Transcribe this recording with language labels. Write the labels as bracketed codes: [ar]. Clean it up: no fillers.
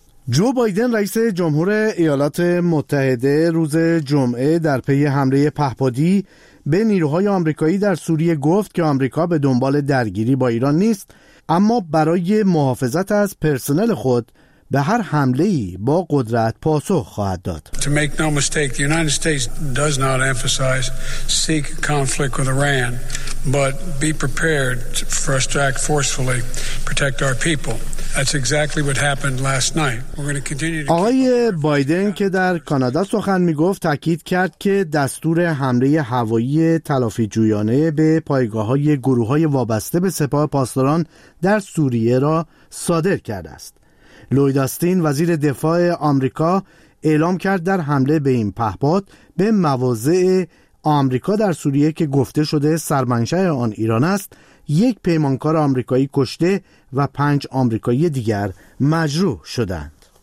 [fa] جو بایدن رئیس جمهور ایالات متحده روز جمعه در پی حمله پهپادی به نیروهای آمریکایی در سوریه گفت که آمریکا به دنبال درگیری با ایران نیست، اما برای محافظت از پرسنل خود به هر حمله‌ای با قدرت پاسخ خواهد داد. [en] To make no mistake, the United States does not emphasize seek conflict with Iran, but be prepared for us to act forcefully, protect our people. That's exactly what happened last night. We're going to continue to [fa] آقای بایدن که در کانادا سخن می‌گفت تأکید کرد که دستور حمله هوایی تلافی جویانه به پایگاه‌های گروه‌های وابسته به سپاه پاسداران در سوریه را صادر کرده است. لوید آستین وزیر دفاع آمریکا اعلام کرد در حمله به این پهپاد به مواضع آمریکا در سوریه که گفته شده سرمنشأ آن ایران است، یک پیمانکار آمریکایی کشته و 5 آمریکایی دیگر مجروح شدند.